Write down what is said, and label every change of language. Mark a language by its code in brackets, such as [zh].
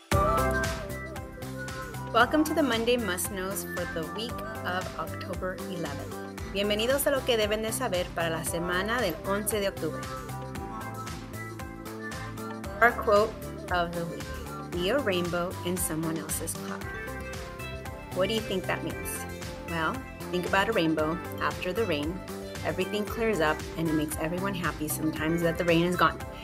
[en] Welcome to the Monday Must-Knows for the week of October 11th. [es] Bienvenidos a lo que deben de saber para la semana del 11 de octubre. [en] Our quote of the week, be a rainbow in someone else's pot. What do you think that means? Well, think about a rainbow. After the rain, everything clears up and it makes everyone happy sometimes that the rain is gone.